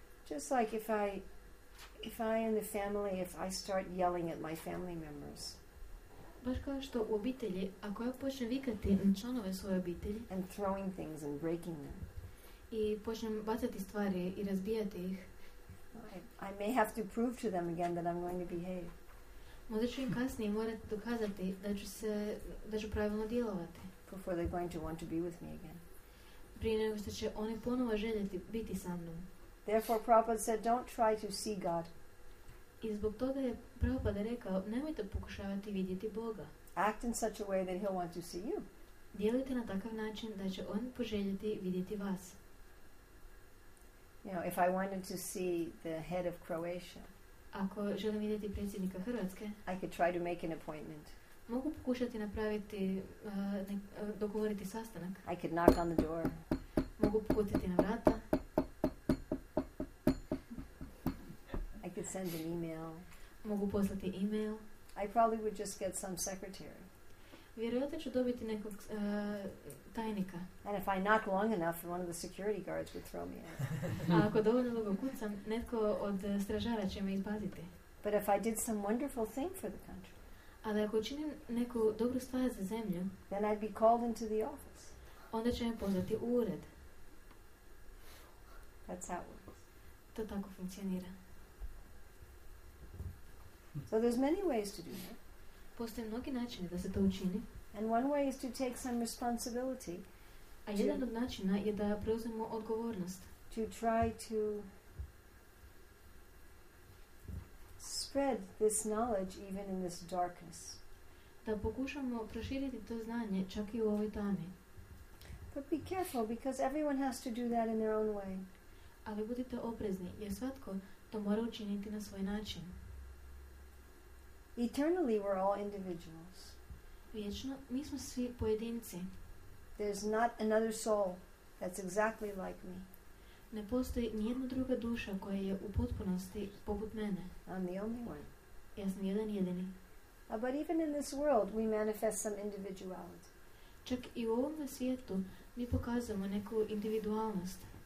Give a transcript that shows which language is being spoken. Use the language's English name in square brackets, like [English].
[English] Just like if I in the family, if I start yelling at my family members, [Croatian] baš kao što u obitelji, ako ja počnem vikati na članove svoje obitelji, [English] and throwing things and breaking them, [Croatian] i počnem bacati stvari i razbijati ih, [English] I may have to prove to them again that I'm going to behave. [Croatian] Možda ću im kasnije morati dokazati da ću pravilno djelovati. [English] Before they're going to want to be with me again. [Croatian] Prije nego što će oni ponovo željeti biti sa mnom. [English] Therefore, Prabhupada said, don't try to see God. [Croatian] I zbog toga je Prabhupada rekao, nemojte pokušavati vidjeti Boga. [English] Act in such a way that he'll want to see you. [Croatian] Djelujte na takav način da će on poželjeti vidjeti vas. [English] You know, if I wanted to see the head of Croatia, [Croatian] ako želim vidjeti predsjednika Hrvatske, [English] I could try to make an appointment. [Croatian] Mogu pokušati napraviti, dogovoriti sastanak. [English] I could knock on the door. [Croatian] Mogu pokucati na vrata. [English] I could send an email. [Croatian] Mogu poslati email. [English] I probably would just get some secretary. [Croatian] Vjerojatno ću dobiti nekog tajnika. [English] And if I knock long enough, one of the security guards would throw me out. [Croatian] A ako dovoljno dugo kucam, netko od stražara će me izbaziti. [English] But if I did some wonderful thing for the country, [Croatian] ali ako učinim neku dobru stvar za zemlju, [English] then I'd be called into the office. [Croatian] Onda će me pozvati u ured. [English] That's how it works. [Croatian] To tako funkcionira. [English] So there's many ways to do that. [Croatian] Postoje mnogi načini da se to učini. [English] And one way is to take some responsibility. [Croatian] A jedan od načina je da preuzmemo odgovornost. [English] To try to spread this knowledge even in this darkness. [Croatian] Da pokušamo proširiti to znanje čak i u ovoj tami. [English] But be careful because everyone has to do that in their own way. [Croatian] Ali budite oprezni jer svatko to mora učiniti na svoj način. [English] Eternally, we're all individuals. [Croatian] Vječno, mi smo svi pojedinci. [English] There's not another soul that's exactly like me. [Croatian] Ne postoji nijedna druga duša koja je u potpunosti poput mene. [English] I'm the only one. [Croatian] Ja sam jedan jedini. [English] But even in this world, we manifest some individuality. [Croatian] Čak i u ovom svijetu mi pokazujemo neku individualnost.